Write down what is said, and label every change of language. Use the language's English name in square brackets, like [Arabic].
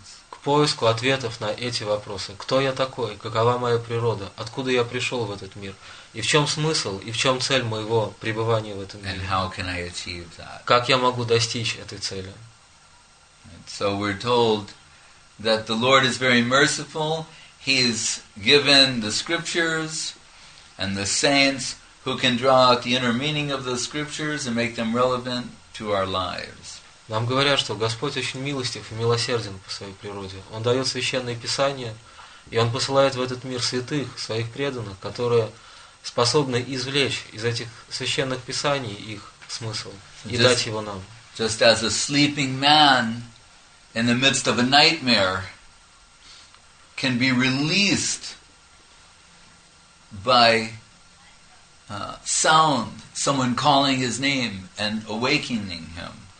[Russian] К поиску ответов на эти вопросы. Кто я такой? Какова моя природа? Откуда я пришел в этот мир? И в чем смысл, и в чем цель моего пребывания в этом мире? [English] And how can I achieve that? [Russian] Как я могу достичь этой цели? [English] So we're told that the Lord is very merciful. He's given the scriptures and the saints who can draw out the inner meaning of the scriptures and make them relevant to our lives. [Russian] Нам говорят, что Господь очень милостив и милосерден по своей природе. Он дает священные писания, и Он посылает в этот мир святых, своих преданных, которые способны извлечь из этих священных писаний их смысл и дать его нам. [English] Just as a sleeping man in the midst of a nightmare can be released by sound, someone calling his name and awakening him.